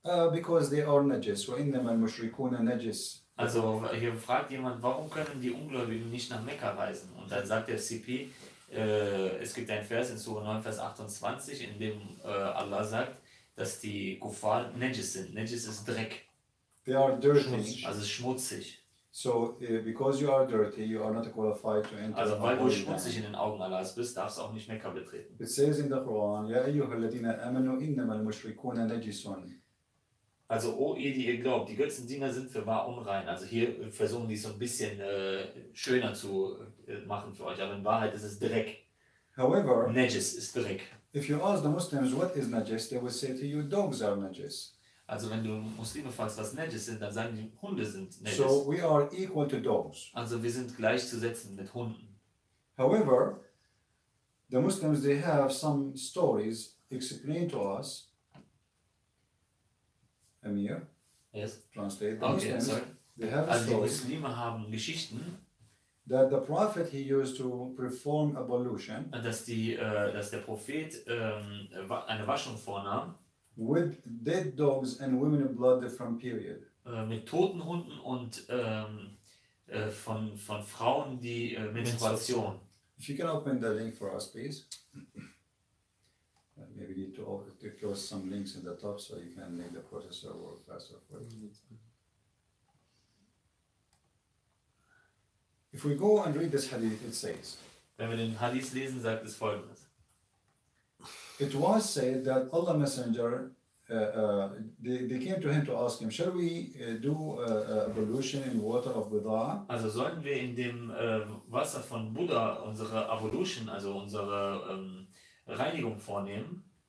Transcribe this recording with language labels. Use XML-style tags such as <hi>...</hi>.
<en>Because they are najis.</en> <ar>Wa innama al-mushrikuna najis.</ar> <de>Also hier fragt jemand, warum können die Ungläubigen nicht nach Mekka reisen? Und dann sagt der CP, es gibt ein Vers in Sura 9, Vers 28, in dem Allah sagt, dass die Kuffar Najis sind. Najis ist Dreck.</de> <en>They are dirty.</en> <de>Schmutz, also schmutzig.</de> <en>So, because you are dirty, you are not qualified to enter.</en> <de>Also weil du schmutzig in den Augen Allahs bist, darfst du auch nicht Mekka betreten.</de> <en>It says in the Quran,</en> <ar>Ya ayyuha alladhina amanu innama al-mushrikuna najisun.</ar> <de>Also, oh ihr, die ihr glaubt, die Götzendiener sind für wahr unrein. Also hier versuchen die es so ein bisschen schöner zu machen für euch. Aber in Wahrheit ist es Dreck.</de> <en>However,</en> <de>Najis ist Dreck.</de> <en>If you ask the Muslims what is Najis, they will say to you, dogs are Najis.</en> <de>Also wenn du Muslime fragst, was Najis sind, dann sagen die, Hunde sind Najis.</de> <en>So we are equal to dogs.</en> <de>Also wir sind gleichzusetzen mit Hunden.</de> <en>However, the Muslims, they have some stories explained to us. Amir, yes. Translate. The okay, Muslims, sorry. They have a</en> <de>also</de> <en>story.</en> <de>Die Muslime haben Geschichten.</de> <en>That the Prophet he used to perform ablution.</en> <de>Dass die, dass der Prophet eine Waschung vornahm.</de> <en>With dead dogs and women blood from period.</en> <de>Mit toten Hunden und von Frauen die Menstruation.</de> <en>If you can open the link for us, please. Maybe need to close some links in the top so you can make the processor work faster for you. If we go and read this hadith, it says.</en> <de>Wenn wir den Hadith lesen, sagt es folgendes.</de> <en>It was said that Allah Messenger, they came to him to ask him, shall we do ablution in water of Buddha?</en> <de>Also sollen wir in dem Wasser von Buddha unsere ablution, also unsere Reinigung vornehmen?</de>